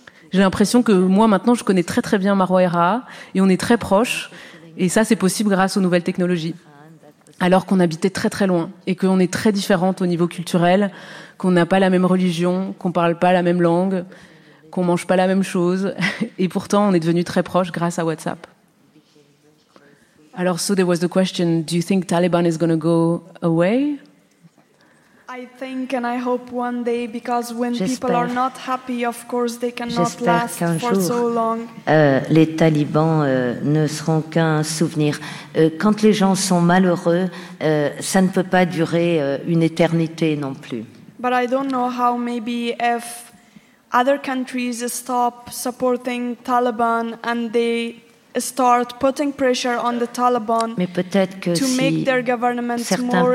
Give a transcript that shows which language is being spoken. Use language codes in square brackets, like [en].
[fr] J'ai l'impression que moi, maintenant, je connais très très bien Marwa et Rahab et on est très proches. Et ça, c'est possible grâce aux nouvelles technologies. Alors qu'on habitait très très loin et qu'on est très différentes au niveau culturel, qu'on n'a pas la même religion, qu'on ne parle pas la même langue... qu'on mange pas la même chose, et pourtant on est devenu très proche grâce à WhatsApp. Alors, [en] so there was the question: do you think Taliban is going to go away? I think and I hope one day, because when people are not happy, of course they cannot last for [fr] jour, [en] so long. [fr] Les talibans ne seront qu'un souvenir. Quand les gens sont malheureux, ça ne peut pas durer une éternité non plus. [en] But I don't know how maybe if other countries stop supporting Taliban and they start putting pressure on the Taliban to make their government more inclusive.